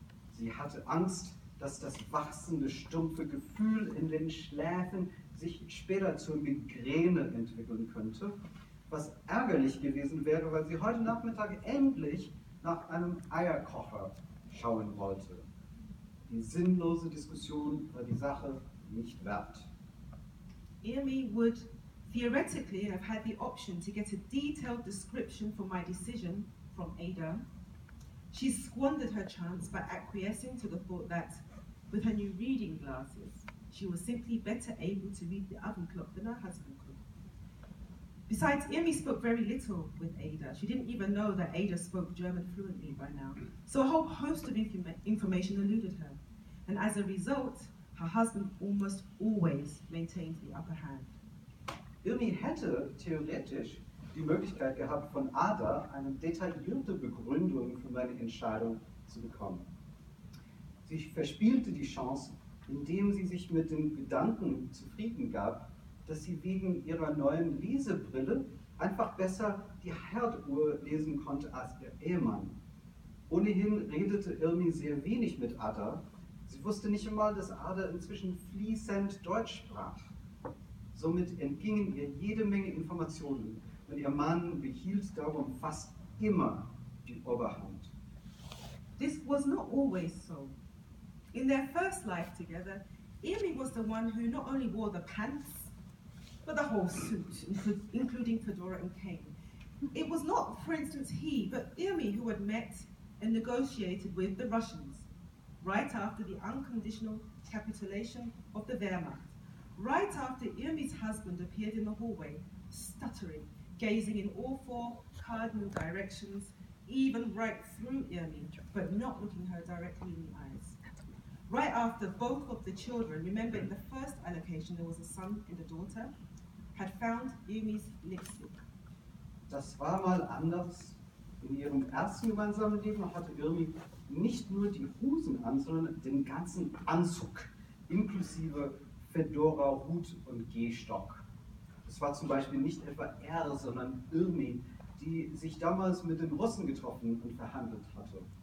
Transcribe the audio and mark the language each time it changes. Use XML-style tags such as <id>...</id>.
<de>Sie hatte Angst, dass das wachsende, stumpfe Gefühl in den Schläfen sich später zur Migräne entwickeln könnte, was ärgerlich gewesen wäre, weil sie heute Nachmittag endlich nach einem Eierkocher schauen wollte. Die sinnlose Diskussion war die Sache nicht wert.</de> <en>Amy would theoretically have had the option to get a detailed description for my decision from Ada. She squandered her chance by acquiescing to the thought that, with her new reading glasses, she was simply better able to read the oven clock than her husband could. Besides, Amy spoke very little with Ada. She didn't even know that Ada spoke German fluently by now. So a whole host of information eluded her. And as a result, her husband almost always maintained the upper hand.</en> <de>Amy hätte theoretisch die Möglichkeit gehabt, von Ada eine detaillierte Begründung für meine Entscheidung zu bekommen. Sie verspielte die Chance, indem sie sich mit dem Gedanken zufrieden gab, dass sie wegen ihrer neuen Lesebrille einfach besser die Herduhr lesen konnte als ihr Ehemann. Ohnehin redete Irmi sehr wenig mit Ada. Sie wusste nicht einmal, dass Ada inzwischen fließend Deutsch sprach. Somit entgingen ihr jede Menge Informationen und ihr Mann behielt darum fast immer die Oberhand.</de> <en>This was not always so. In their first life together, Amy was the one who not only wore the pants, but the whole suit, including fedora and cane. It was not, for instance, he, but Amy who had met and negotiated with the Russians right after the unconditional capitulation of the Wehrmacht, right after Amy's husband appeared in the hallway, stuttering, gazing in all four cardinal directions, even right through Amy, but not looking her directly in the eyes. Right after both of the children, remember in the first allocation there was a son and a daughter, had found Amy's lipstick.</en> <de>Das war mal anders. In ihrem ersten gemeinsamen Leben hatte Irmi nicht nur die Hosen an, sondern den ganzen Anzug, inklusive Fedora, Hut und Gehstock. Es war zum Beispiel nicht etwa er, sondern Irmi, die sich damals mit den Russen getroffen und verhandelt hatte.</de>